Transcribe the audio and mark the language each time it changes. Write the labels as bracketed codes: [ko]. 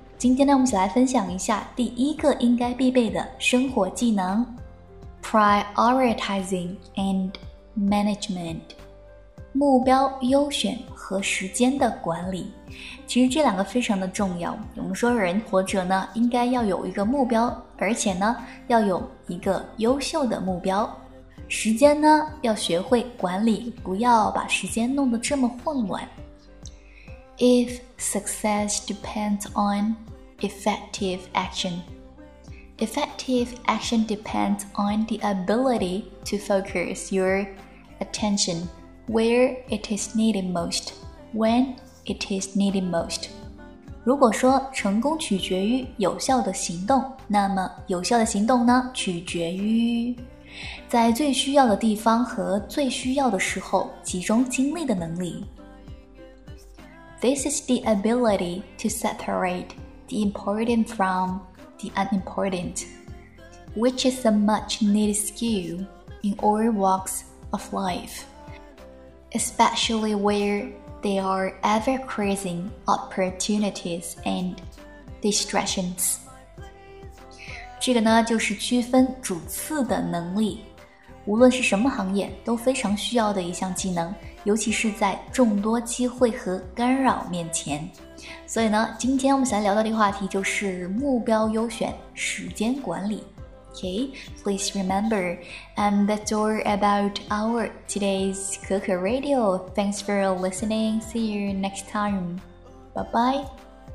[zh] 今天呢，我们一起来分享一下第一个应该必备的生活技能 ： [en] prioritizing and management， [zh] 目标优选和时间的管理。其实这两个非常的重要。我们说人活着呢，应该要有一个目标，而且呢，要有一个优秀的目标。时间呢，要学会管理，不要把时间弄得这么混乱。 [en] If success depends on effective action, effective action depends on the ability to focus your attention where it is needed most, when it is needed most. [zh] 如果说成功取决于有效的行动，那么有效的行动呢，取决于在最需要的地方和最需要的时候集中精力的能力。 [en] This is the ability to separate the important from the unimportant, which is a much needed skill in all walks of life, especially where there are ever-increasing opportunities and distractions. [zh] 这个呢，就是区分主次的能力，无论是什么行业都非常需要的一项技能，尤其是在众多机会和干扰面前。所以呢，今天我们想聊到的话题就是目标优选、时间管理。 [en] Okay, please remember, and that's all about our today's Kuku Radio. Thanks for listening. See you next time. Bye bye.